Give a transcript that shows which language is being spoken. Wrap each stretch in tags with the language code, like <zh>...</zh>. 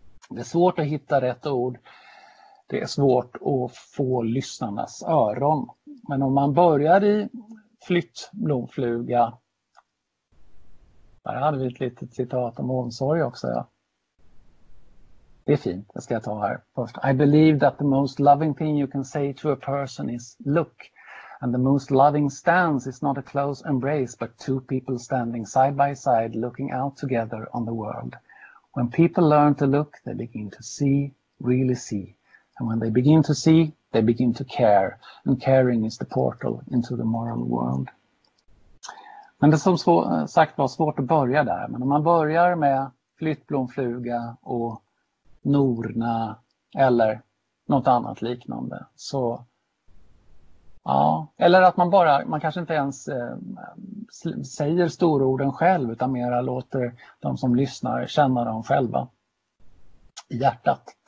<sv>Det är svårt att hitta rätt ord. Det är svårt att få lyssnarnas öron. Men om man börjar i flytt blomfluga. Där hade vi ett litet citat om omsorg också. Ja. Det är fint, det ska jag ta här först.</sv> <en>I believe that the most loving thing you can say to a person is look. And the most loving stance is not a close embrace, but two people standing side by side, looking out together on the world. When people learn to look, they begin to see, really see. And when they begin to see, they begin to care. And caring is the portal into the moral world.</en> <sv>Men det som sagt var svårt att börja där. Men om man börjar med flyttblomfluga och norna eller något annat liknande, så... Ja, eller att man bara, man kanske inte ens säger stororden själv, utan mera låter de som lyssnar känna dem själva i hjärtat.</sv>